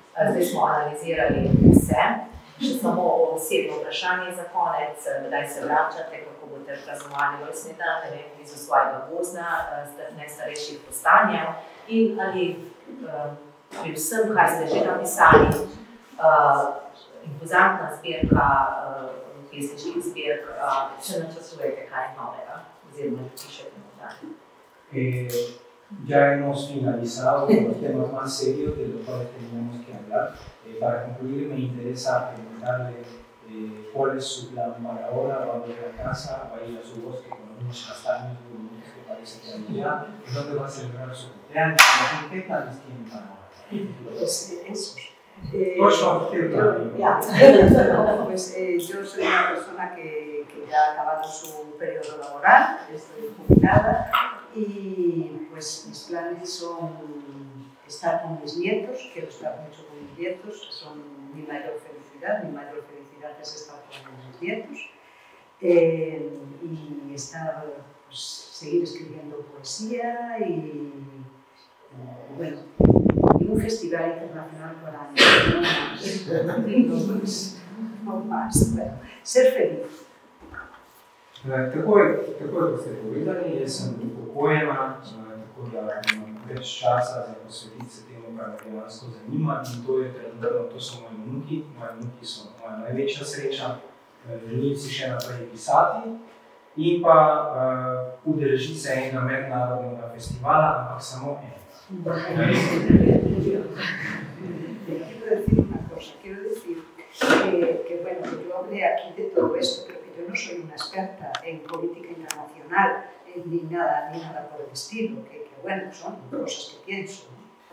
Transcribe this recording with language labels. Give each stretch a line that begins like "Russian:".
Slovenian: Zdaj smo analizirali vse, še samo osebno vprašanje za konec, kdaj se vračate, kako boste praznovali rojstni dan, ne vem, blizu svojega gozda, najstarejših postanjev in ali pri vsem, kaj ste že napisali, impozantna zbirka, pesniški zbirk, če načasujete kaj novega oziroma pišete nadalje.
Spanish: Ya hemos finalizado con los temas más serios de los cuales tenemos que hablar. Para concluir, me interesa preguntarle cuál es su plan para ahora, va a volver a casa, va a ir a su bosque con unos castaños, con unos que parece que hay ya, ¿dónde va a celebrar su cumpleaños? ¿Qué planes tiene para ahora? Pues eso. Yo soy una persona que ya ha acabado su periodo laboral, estoy jubilada y pues mis planes son estar con mis nietos, quiero estar mucho con mis nietos, son mi mayor felicidad es estar con mis nietos y estar, pues, seguir escribiendo poesía y bueno. Un festival internacional por año, no más, no más, pero ser feliz.
Slovenian: Tako je, kot ste povedali, jaz sem upokojena, tako da imam več časa za posvetiti se temu, kar me dejansko zanima in to je trenutno, to so moji vnuki, moji vnuki so moja največja sreča, želim si še naprej pisati in pa udeležiti se enega mednarodnega festivala, ampak samo enega.
Spanish: Quiero decir una cosa, quiero decir que bueno, yo hablé aquí de todo esto, pero que yo no soy una experta en política internacional, ni nada por el estilo, que bueno, son cosas que pienso, ¿no?